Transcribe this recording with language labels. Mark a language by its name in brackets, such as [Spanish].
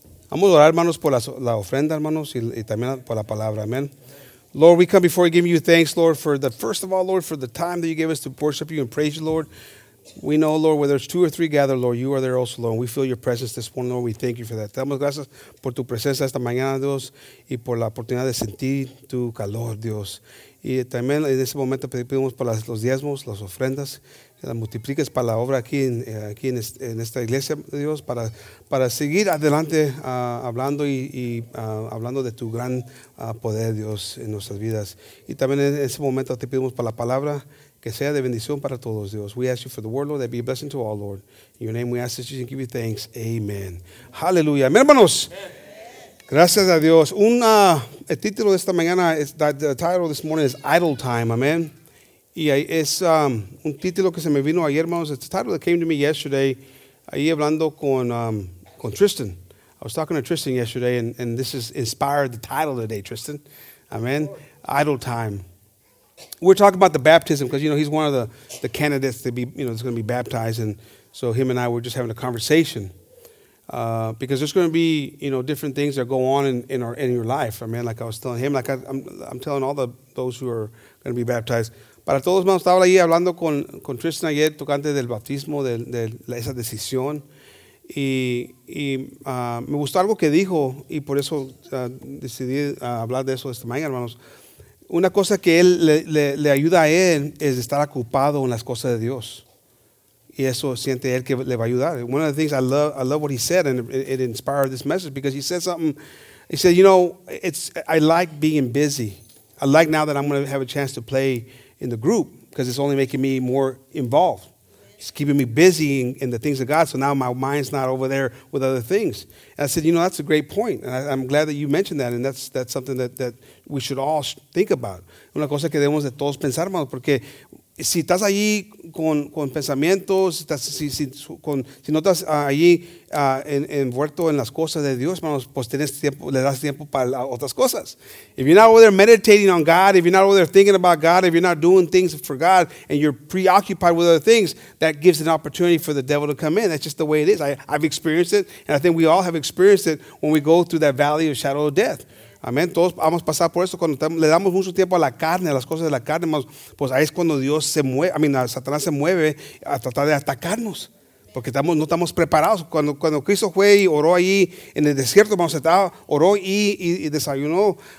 [Spanish] Vamos a orar, hermanos, por la ofrenda, hermanos, y también por la palabra. Amen. [English] Lord, we come before giving you thanks, Lord, for the time that you gave us to worship you and praise you, Lord. We know, Lord, whether it's two or three gathered, Lord, you are there also, Lord. We feel your presence this morning, Lord. We thank you for that. [Spanish] Te damos gracias por tu presencia esta mañana, Dios, y por la oportunidad de sentir tu calor, Dios. Y también en ese momento pedimos por los diezmos, las ofrendas, que las multipliques para la obra aquí en esta iglesia, Dios, para seguir adelante hablando hablando de tu gran poder, Dios, en nuestras vidas. Y también en ese momento te pedimos por la palabra que sea de bendición para todos, Dios. [English] We ask you for the word, Lord, that be a blessing to all, Lord. In your name we ask this and give you thanks. [Spanish] Amen. Hallelujah. Hermanos. Amen. Gracias a Dios. El título de esta mañana, [English] the title this morning is Idle Time, amen. [Spanish] Y es un título que se me vino ayer, hermanos. [English] It's a title that came to me yesterday, [Spanish] ahí hablando con Tristan. [English] I was talking to Tristan yesterday, and this has inspired the title today, Tristan. Amen. Idle Time. We're talking about the baptism, because, you know, he's one of the candidates to be, you know, that's going to be baptized. And so him and I were just having a conversation. Because there's going to be, you know, different things that go on in your life. I mean, like I was telling him, like I'm telling all those who are going to be baptized. [Spanish] Para todos, hermanos, estaba ahí hablando con Tristan ayer, tocante del bautismo, de esa decisión. Y me gustó algo que dijo, y por eso decidí hablar de eso esta mañana, hermanos. Una cosa que él le ayuda a él es estar ocupado en las cosas de Dios. Y eso siente él que le va a ayudar. [English] One of the things I love what he said, and it inspired this message, because he said something. He said, you know, I like being busy. I like now that I'm going to have a chance to play in the group, because it's only making me more involved. It's keeping me busy in the things of God. So now my mind's not over there with other things. And I said, you know, that's a great point. And I'm glad that you mentioned that. And that's something that we should all think about. [Spanish] Una cosa que debemos de todos pensar, hermanos, porque si estás allí con pensamientos, si no estás allí envuelto en las cosas de Dios, hermanos, pues tienes tiempo, le das tiempo para otras cosas. [English] If you're not over there meditating on God, if you're not over there thinking about God, if you're not doing things for God, and you're preoccupied with other things, that gives an opportunity for the devil to come in. That's just the way it is. I've experienced it, and I think we all have experienced it when we go through that valley of shadow of death. [Spanish] Amén. Todos vamos a pasar por eso. Cuando le damos mucho tiempo a la carne, a las cosas de la carne, pues ahí es cuando Dios se mueve, Satanás se mueve a tratar de atacarnos, porque no estamos preparados. Cuando Cristo fue y oró ahí en el desierto, vamos, estaba, oró y desayunó.